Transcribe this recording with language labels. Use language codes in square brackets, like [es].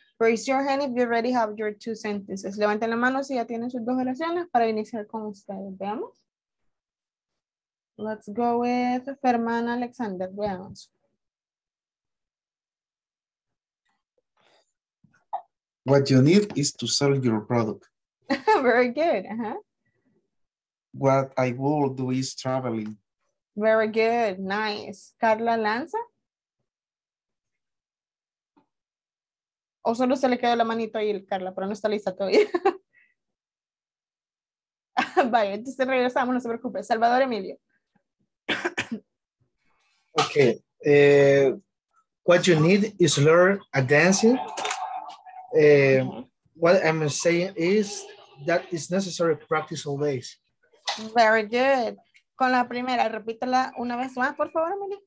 [en] Raise your hand if you already have your two sentences. [es] Levanten la mano si ya tienen sus dos oraciones para iniciar con ustedes. Veamos. [en] Let's go with Ferman Alexander. Veamos. What you need is to sell your product. Very good. What I will do is traveling. Very good. Nice. Carla Lanza. [es] O solo se le quedó la manito ahí, Carla, pero no está lista todavía. Vaya, entonces regresamos, no se preocupe. Salvador Emilio. [en] Okay. What you need is learn a dancing. What I'm saying is that it's necessary to practice always. Very good. [es] Con la primera, repítela una vez más, por favor, Emilio.